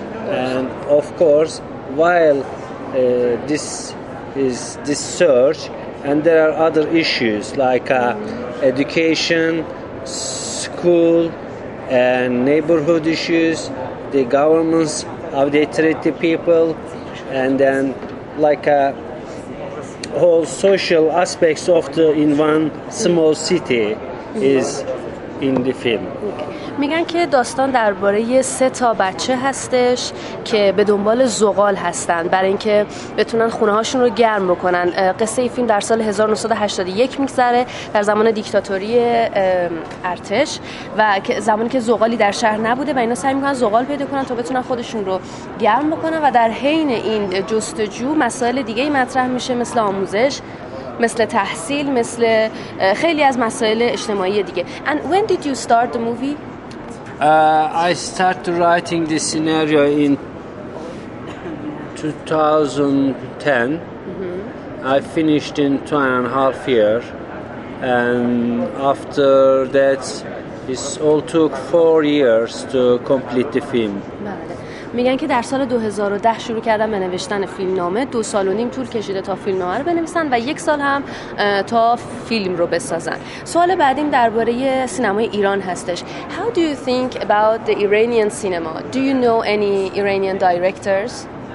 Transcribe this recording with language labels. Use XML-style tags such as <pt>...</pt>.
<en>And of course, while this search, and there are other issues like education, school, and neighborhood issues, the governments, how they treat the people, and then like a whole social aspects of the in one small city is in the film.</en> <fa>میگن که داستان درباره سه تا بچه هستش که به دنبال زغال هستن برای اینکه بتونن خونه هاشون رو گرم بکنن. قصه فیلم در سال 1981 میگذره، در زمان دیکتاتوری ارتش و زمانی که زغالی در شهر نبوده و اینا سعی میکنن زغال پیدا کنن تا بتونن خودشون رو گرم بکنن، و در حین این جستجو مسائل دیگه ای مطرح میشه، مثل آموزش، مثل تحصیل، مثل خیلی از مسائل اجتماعی دیگه.</fa> <en>And when did you start the movie? I started writing the scenario in 2010. I finished in 2.5 years, and after that it all took 4 years to complete the film.</en> <fa>میگن که در سال 2010 شروع کردن به نوشتن فیلمنامه، 2.5 سال طول کشیده تا فیلمنامه رو بنویسن و 1 سال هم تا فیلم رو بسازن. سوال بعدیم درباره سینمای ایران هستش.</fa> <en>How do you think about the Iranian cinema? Do you know any Iranian directors?</en>